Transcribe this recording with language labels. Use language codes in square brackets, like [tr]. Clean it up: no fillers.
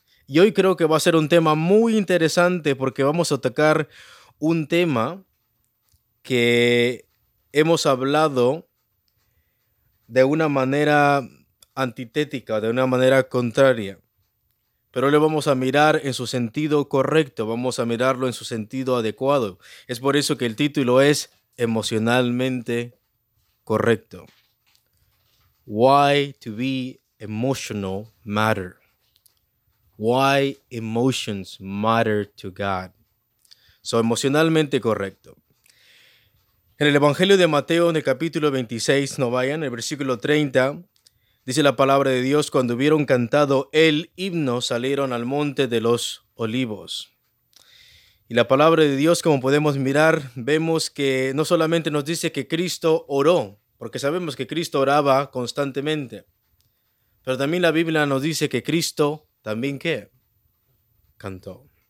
[es] Y hoy creo que va a ser un tema muy interesante porque vamos a tocar un tema que hemos hablado de una manera antitética, de una manera contraria. Pero hoy lo vamos a mirar en su sentido correcto, vamos a mirarlo en su sentido adecuado. Es por eso que el título es Emocionalmente Correcto. [en] Why to be emotional matter. Why emotions matter to God. [es] So, emocionalmente correcto. En el Evangelio de Mateo, en el capítulo 26, no vayan, el versículo 30, dice la palabra de Dios, cuando hubieron cantado el himno, salieron al monte de los olivos. Y la palabra de Dios, como podemos mirar, vemos que no solamente nos dice que Cristo oró, porque sabemos que Cristo oraba constantemente, pero también la Biblia nos dice que Cristo ¿también qué? Cantó.